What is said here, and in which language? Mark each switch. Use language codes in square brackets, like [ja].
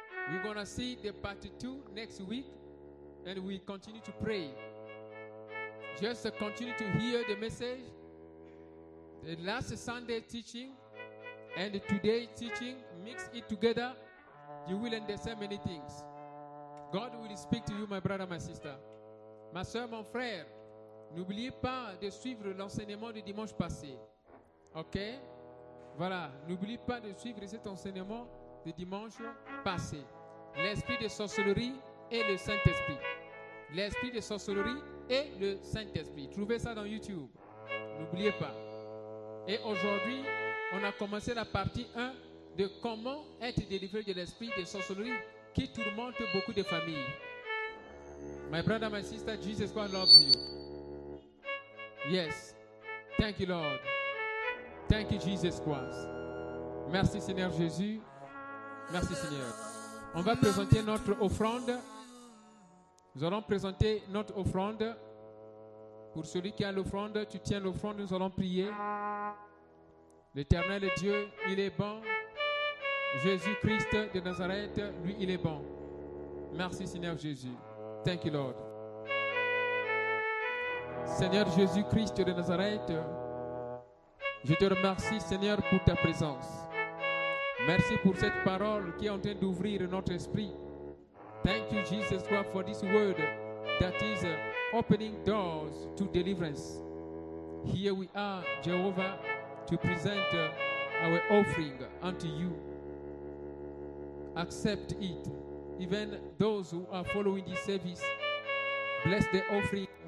[en] We're going to see the part two next week, and we continue to pray. Just continue to hear the message, the last Sunday teaching, and today teaching, mix it together, you will understand many things. God will speak to you, my brother, my sister. [fr] Ma soeur, mon frère, n'oubliez pas de suivre l'enseignement du dimanche passé. Ok? Voilà. N'oubliez pas de suivre cet enseignement du dimanche passé. L'esprit de sorcellerie et le Saint-Esprit. L'esprit de sorcellerie et le Saint-Esprit. Trouvez ça dans YouTube. N'oubliez pas. Et aujourd'hui, on a commencé la partie 1 de comment être délivré de l'esprit de sorcellerie qui tourmente beaucoup de familles. [en] My brother, my sister, Jesus Christ loves you. Yes. Thank you, Lord. Thank you, Jesus Christ. [fr] Merci, Seigneur Jésus. Merci, Seigneur. On va présenter notre offrande. Nous allons présenter notre offrande. Pour celui qui a l'offrande, tu tiens l'offrande, nous allons prier. L'Éternel Dieu, il est bon. Jésus-Christ de Nazareth, lui, il est bon. Merci, Seigneur Jésus. [en] Thank you, Lord. [fr] Seigneur Jésus-Christ de Nazareth, je te remercie, Seigneur, pour ta présence. Merci pour cette parole qui est en train d'ouvrir notre esprit. [en] Thank you, Jesus Christ, for this word that is opening doors to deliverance. Here we are, Jehovah, to present our offering unto you. Accept it. Even those who are following this service, bless the offering.